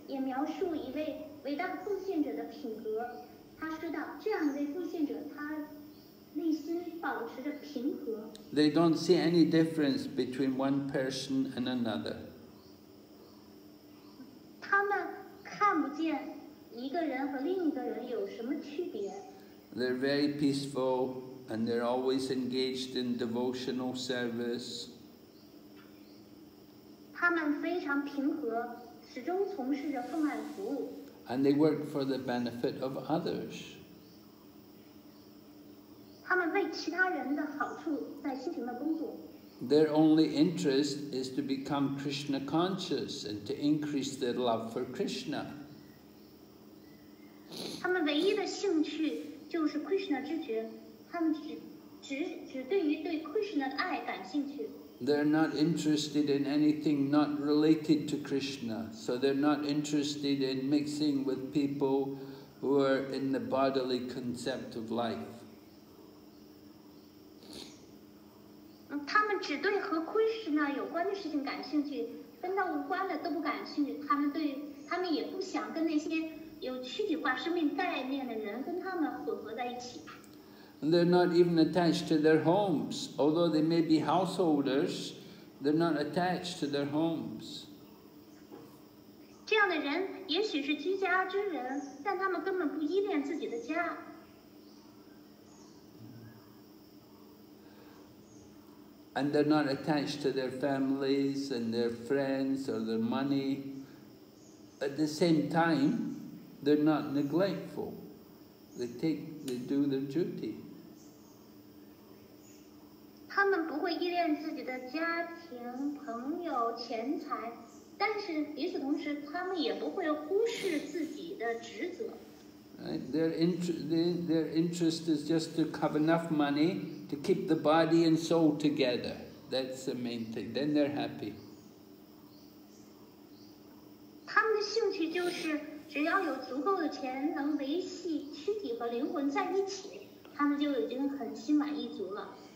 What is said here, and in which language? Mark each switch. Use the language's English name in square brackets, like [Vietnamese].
[Chinese] 也描述一位伟大奉献者的品格，他说道，这样一位奉献者，他内心保持着平和。 [English] They don't see any difference between one person and another. [Chinese] 他们看不见一个人和另一个人有什么区别。 [English] They're very peaceful and they're always engaged in devotional service. [Chinese] 他们非常平和。始终从事着奉爱服务。 [English] And they work for the benefit of others. [Chinese] 他们为其他人的好处在辛勤的工作。 [English] Their only interest is to become Krishna conscious and to increase their love for Krishna. [Chinese] 他们唯一的兴趣就是 Krishna 知觉，他们只对 Krishna 的爱感兴趣。 [English] They're not interested in anything not related to Krishna. So they're not interested in mixing with people who are in the bodily concept of life. [Chinese] 他们只对和 Krishna 有关的事情感兴趣，跟他无关的都不感兴趣。他们也不想跟那些有躯体化生命概念的人跟他们混合在一起。 [English] And they're not even attached to their homes. Although they may be householders, they're not attached to their homes. [Chinese] 这样的人也许是居家之人，但他们根本不依恋自己的家。 [English] And they're not attached to their families and their friends or their money. At the same time, they're not neglectful. they do their duty. [Chinese] 他们不会依恋自己的家庭、朋友、钱财，但是与此同时，他们也不会忽视自己的职责。 [English] Their interest is just to have enough money to keep the body and soul together. That's the main thing. Then they're happy. [Chinese] 他们的兴趣就是只要有足够的钱能维系躯体和灵魂在一起，他们就已经很心满意足了。